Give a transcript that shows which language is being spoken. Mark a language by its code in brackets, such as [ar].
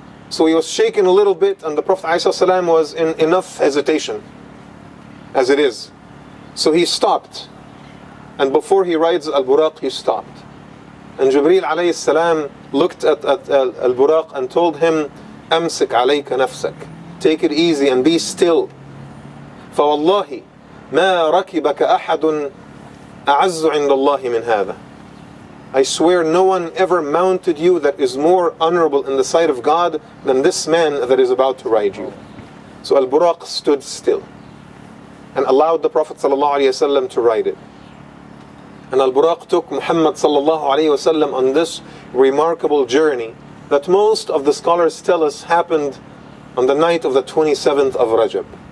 [en] So he was shaken a little bit, and the Prophet ﷺ was in enough hesitation, as it is. So he stopped. And before he rides al-buraq, he stopped. And Jibreel alayhi salam looked at al-Buraq and told him, [ar] أمسك عليك نفسك. [en] Take it easy and be still. [ar] فوالله ما ركبك أحد أعز عند الله من هذا. [en] I swear no one ever mounted you that is more honorable in the sight of God than this man that is about to ride you. So al-Buraq stood still and allowed the Prophet sallallahu alayhi wasallam to ride it. And al-Buraq took Muhammad sallallahu alayhi wasallam on this remarkable journey that most of the scholars tell us happened on the night of the 27th of Rajab.